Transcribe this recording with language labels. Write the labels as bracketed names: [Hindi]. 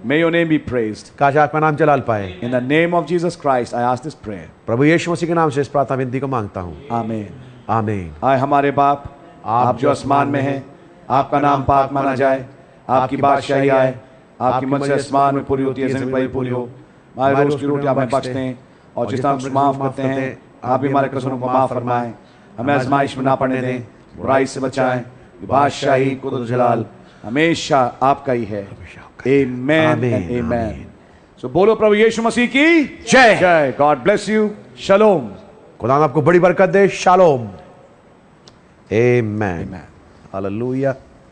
[English] May your name be praised. [Hindi] काश आपका नाम जलाल पाए. [English] In the name of Jesus Christ, I ask this prayer. [Hindi] प्रभु यीशु मसीह के नाम से इस प्रार्थना विनती को मांगता हूं. आमीन. आमीन. आए हमारे बाप, आप जो आसमान में हैं, आपका नाम पाक माना जाए, आपकी बादशाही आए, आपकी मर्जी आसमान में पूरी होती है जैसे भूमि पर पूरी हो. हमारे रोज की रोटी हमें बख्शते हैं, और जितना हम माफ करते हैं आप भी हमारे कसूरों को माफ फरमाएं. हमें आजमाइश में ना पड़ने दें, बुराई से बचाएं. बादशाही कुदरत जलाल हमेशा आपका ही है. आमीन. आमीन. सो बोलो प्रभु यीशु मसीह की जय. जय. [English] God bless you. [Hindi] शालोम. खुदा आपको बड़ी बरकत दे. शालोम. आमीन. हालेलुया.